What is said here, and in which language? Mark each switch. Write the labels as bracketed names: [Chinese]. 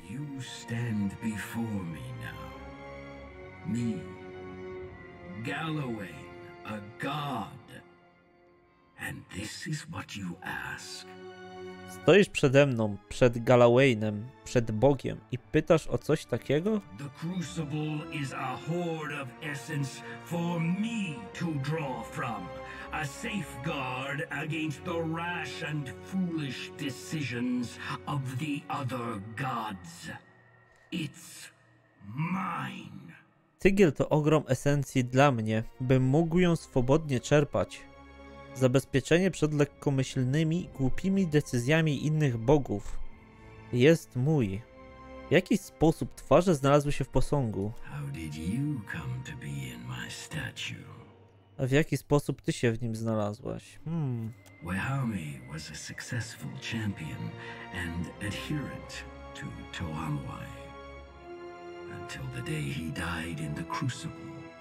[English] You stand before me now. Me, Galloway, a god. And this is what you ask. [Polish] Stoisz przede mną, przed Galawainem, przed Bogiem i pytasz o coś takiego? [English] The Crucible is a hoard of essence for me to draw from. A safeguard against the rash and foolish decisions of the other gods. It's mine. [Polish] Tygiel to ogrom esencji dla mnie, bym mógł ją swobodnie czerpać. Zabezpieczenie przed lekkomyślnymi, głupimi decyzjami innych bogów jest mój. W jaki sposób twarze znalazły się w posągu? [English] How did you come to be in my statue? [Polish] A w jaki sposób ty się w nim znalazłaś? [English] Wehami was a successful champion and adherent to Toamwai until the day he died in the crucible.